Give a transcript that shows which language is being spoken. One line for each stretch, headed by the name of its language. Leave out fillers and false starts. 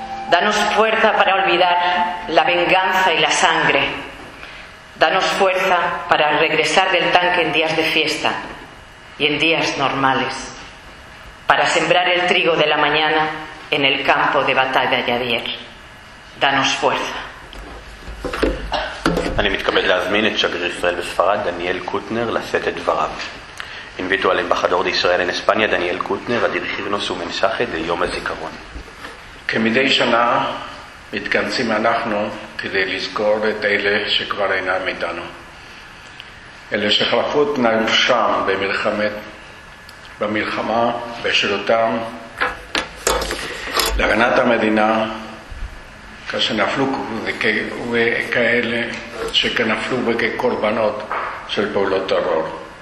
Spanish: Danos fuerza para olvidar la venganza y la sangre. Danos fuerza para regresar del tanque en días de fiesta y en días normales, para sembrar el trigo de la mañana en el campo de batalla de ayer. Danos fuerza.
Hebrew: אני מתכבד להזמין את שגריר ישראל בספרד, דניאל קוטנר, לשאת את דבריו.
Spanish: Invito al embajador de Israel en España, Daniel Kutner, a dirigirnos un mensaje de Yom HaZikaron.
Hebrew: כמדי שנה מתכנסים אנחנו כדי לזכור את אלה שכבר אינם איתנו. אלה שחלפו את נפשם במלחמה, בשירותם, להגנת המדינה, כשנפלו כאלה שכנפלו כקורבנות של פעולות טרור.